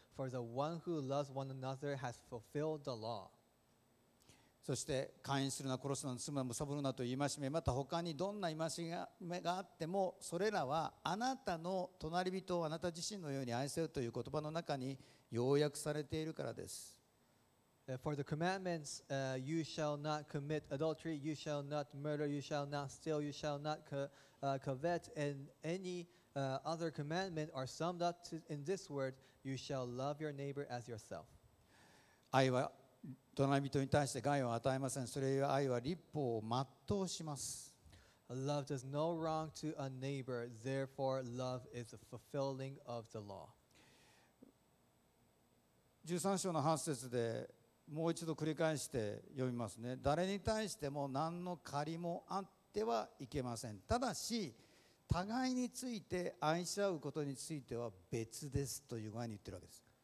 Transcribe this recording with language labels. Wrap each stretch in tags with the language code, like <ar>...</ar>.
<en>For the one who loves one another has fulfilled the law.</en> <ja>そして、勧誘するな、殺すな、盗むな、むさぼるなという戒め、また他にどんな戒めがあっても、それらはあなたの隣人をあなた自身のように愛せるという言葉の中に要約されているからです。</ja> <en>For the commandments, you shall not commit adultery, you shall not murder, you shall not steal, you shall not covet, and any other commandment are summed up in this word, you shall love your neighbor as yourself.</en> <ja>愛は隣人に対して害を与えません。それは愛は律法を全うします。</ja> <en>Love does no wrong to a neighbor, therefore love is the fulfilling of the law.</en> <ja>13章の8節でもう一度繰り返して読みますね。誰に対しても何の借りもあってはいけません。ただし互いについて愛し合うことについては別ですという具合に言ってるわけです。</ja>